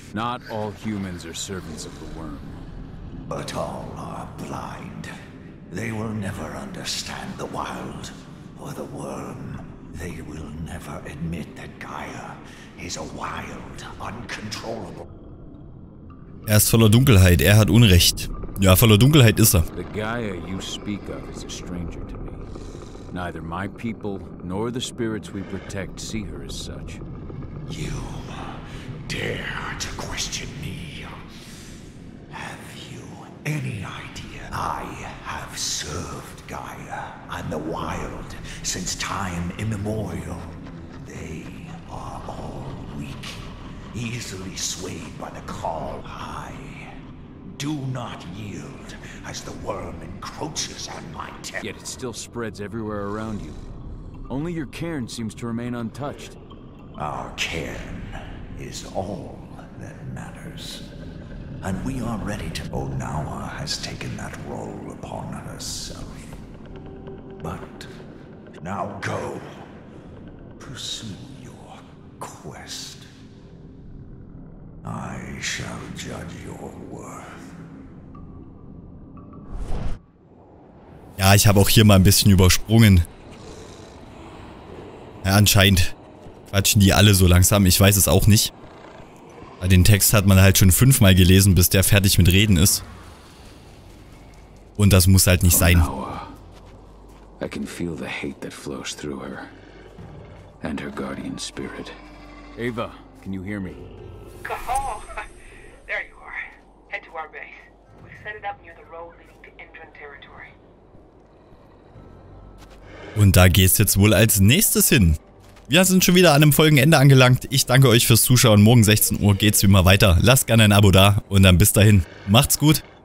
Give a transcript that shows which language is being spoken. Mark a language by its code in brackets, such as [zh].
[en] Not all humans are servants of the worm. But all are blind. They will never understand the wild, or the worm. They will never admit that Gaia is a wild, uncontrollable. [de] Er ist voller Dunkelheit, er hat Unrecht. Ja, voller Dunkelheit ist er. [en] The Gaia you speak of is a stranger to me. Neither my people, nor the spirits we protect see her as such. You dare to question me? Have you any idea? I have served Gaia and the Wild since time immemorial. They are all weak, easily swayed by the call. I do not yield as the worm encroaches on my territory. Yet it still spreads everywhere around you. Only your cairn seems to remain untouched. Our cairn is all that matters. And we are ready to... Onawa has taken that role upon herself. But now go. Pursue your quest. I shall judge your worth. [de] Ja, ich habe auch hier mal ein bisschen übersprungen. Ja, anscheinend quatschen die alle so langsam. Ich weiß es auch nicht. Aber den Text hat man halt schon 5-mal gelesen, bis der fertig mit Reden ist. Und das muss halt nicht sein. [en] I can feel the hate that flows through her and her guardian spirit. Ava, can you hear me? Cahal, there you are. Head to our base. We set it up near the road leading to Indran territory. [de] Und da geht's jetzt wohl als nächstes hin. Wir sind schon wieder an einem Folgenende angelangt. Ich danke euch fürs Zuschauen. Morgen 16 Uhr geht's wie immer weiter. Lasst gerne ein Abo da und dann bis dahin. Macht's gut.